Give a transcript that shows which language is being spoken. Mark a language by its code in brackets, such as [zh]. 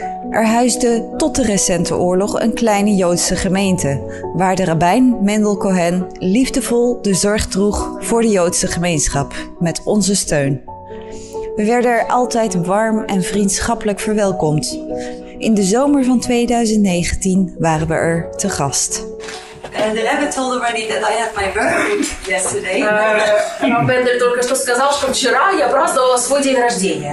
[nl] Er huisde tot de recente oorlog een kleine Joodse gemeente, waar de rabbijn Mendel Cohen liefdevol de zorg droeg voor de Joodse gemeenschap met onze steun. We werden er altijd warm en vriendschappelijk verwelkomd. In de zomer van 2019 waren we er te gast. [en] And the rabbi told already that I had my birthday yesterday. [ru] Бендер только что сказал, что вчера я праздновала свой день рождения.